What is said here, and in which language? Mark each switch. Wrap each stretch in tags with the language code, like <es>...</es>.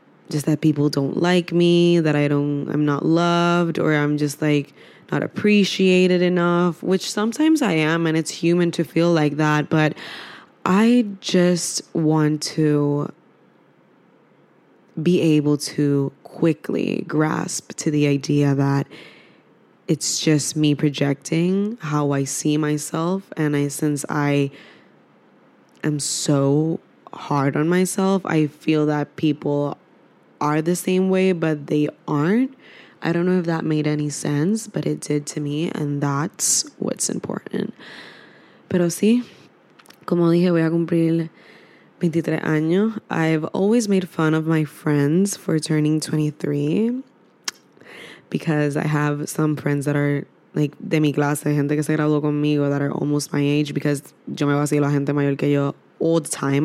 <en>just that people don't like me, that I'm not loved, or I'm just like not appreciated enough, which sometimes I am, and it's human to feel like that, but I just want to be able to quickly grasp to the idea that it's just me projecting how I see myself. And since I am so hard on myself, I feel that people are the same way, but they aren't. I don't know if that made any sense, but it did to me, and that's what's important.</en> <es>Pero sí, como dije, voy a cumplir 23 años.</es> <en>I've always made fun of my friends for turning 23 because I have some friends that are like</en> <es>de mi clase, gente que se graduó conmigo,</es> <en>that are almost my age, because</en> <es>yo me vacilo a gente mayor que yo</es> <en>all the time.</en>